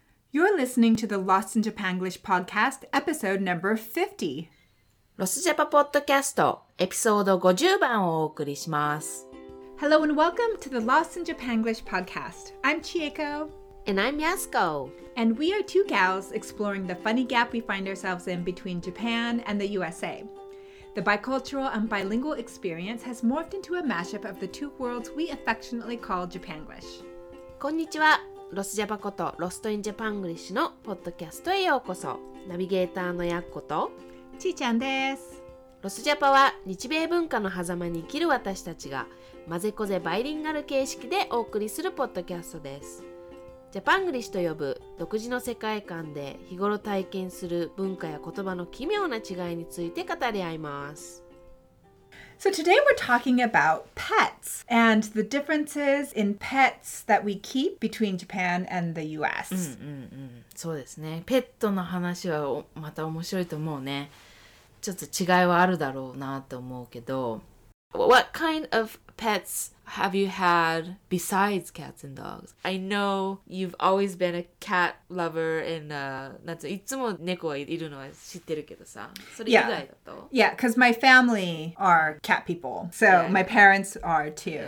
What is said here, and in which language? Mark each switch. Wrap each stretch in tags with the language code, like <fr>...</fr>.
<en>You're listening to the Lost in Japanglish podcast, episode number 50.</en> <ja>ロスジャパポッドキャストエピソード50番をお送りします。</ja> <en>Hello and welcome to the Lost in Japanglish podcast. I'm Chieko. And I'm Yasuko. And we are two gals exploring the funny gap we find ourselves in between Japan and the USA. The bicultural and bilingual experience has morphed into a mashup of the two worlds we affectionately call Japanglish.</en> <ja>こんにちは。ロスジャパことロストインジャパングリッシュのポッドキャストへようこそ。ナビゲーターのやっことちーちゃんです。ロスジャパは日米文化の狭間に生きる私たちがまぜこぜバイリンガル形式でお送りするポッドキャストです。ジャパングリッシュと呼ぶ独自の世界観で日頃体験する文化や言葉の奇妙な違いについて語り合います。</ja> <en>So today we're talking about pets and the differences in pets that we keep between Japan and the US.</en> <ja>そうですね。ペットの話はまた面白いと思うね。ちょっと違いはあるだろうなと思うけど。</ja> <en>What kind of pets have you had besides cats and dogs? I know you've always been a cat lover and</en> <ja>いつも猫がいるのは知ってるけどさ。それ以外だと。</ja> <en>Yeah, because my family are cat people. So my parents are too.</en>